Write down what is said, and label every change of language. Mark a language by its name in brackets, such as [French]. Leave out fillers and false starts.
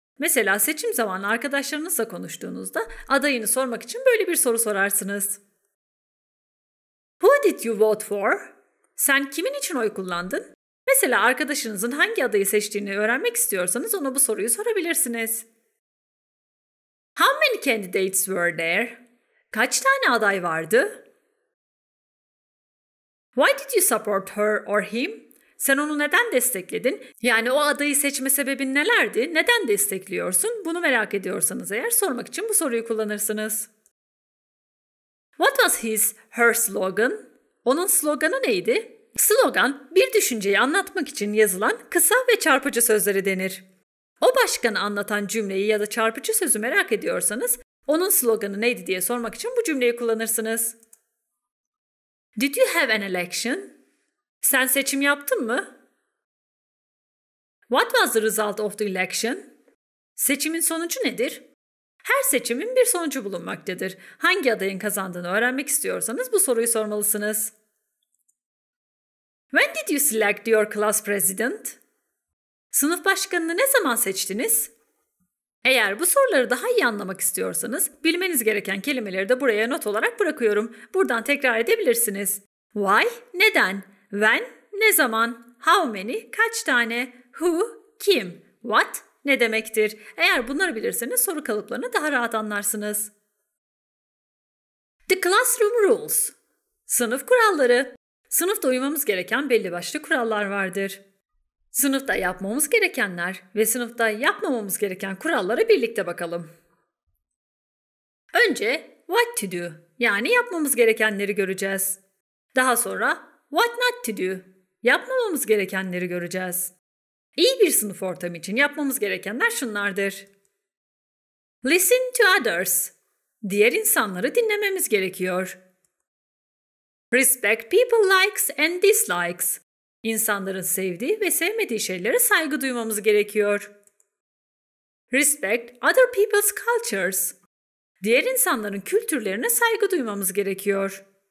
[Turkish] Mesela seçim zamanı arkadaşlarınızla konuştuğunuzda adayını sormak için böyle bir soru sorarsınız. [English] Who did you vote for? [Turkish] Sen kimin için oy kullandın? Mesela arkadaşınızın hangi adayı seçtiğini öğrenmek istiyorsanız ona bu soruyu sorabilirsiniz. [English] How many candidates were there? [Turkish] Kaç tane aday vardı? [English] Why did you support her or him? [Turkish] Sen onu neden destekledin? Yani o adayı seçme sebebin nelerdi? Neden destekliyorsun? Bunu merak ediyorsanız eğer sormak için bu soruyu kullanırsınız. [English] What was his, her slogan? [Turkish] Onun sloganı neydi? Slogan, bir düşünceyi anlatmak için yazılan kısa ve çarpıcı sözlere denir. O başkanı anlatan cümleyi ya da çarpıcı sözü merak ediyorsanız, onun sloganı neydi diye sormak için bu cümleyi kullanırsınız. [English] Did you have an election? [Turkish] Sen seçim yaptın mı? [English] What was the result of the election? [Turkish] Seçimin sonucu nedir? Her seçimin bir sonucu bulunmaktadır. Hangi adayın kazandığını öğrenmek istiyorsanız bu soruyu sormalısınız. [English] When did you select your class president? [Turkish] Sınıf başkanını ne zaman seçtiniz? Eğer bu soruları daha iyi anlamak istiyorsanız, bilmeniz gereken kelimeleri de buraya not olarak bırakıyorum. Buradan tekrar edebilirsiniz. [English] Why? [Turkish] Neden? When? Ne zaman? How many? Kaç tane? Who? Kim? What? Ne demektir? Eğer bunları bilirseniz soru kalıplarını daha rahat anlarsınız. [English] The classroom rules. [Turkish] Sınıf kuralları. Sınıfta uymamız gereken belli başlı kurallar vardır. Sınıfta yapmamız gerekenler ve sınıfta yapmamamız gereken kurallara birlikte bakalım. Önce [English] what to do, [Turkish] yani yapmamız gerekenleri göreceğiz. Daha sonra [English] what not to do, [Turkish] yapmamamız gerekenleri göreceğiz. İyi bir sınıf ortamı için yapmamız gerekenler şunlardır. [English] Listen to others. [Turkish] Diğer insanları dinlememiz gerekiyor. Respect people likes and dislikes. İnsanların sevdiği ve sevmediği şeylere saygı duymamız gerekiyor. Respect other people's cultures. Diğer insanların kültürlerine saygı duymamız gerekiyor.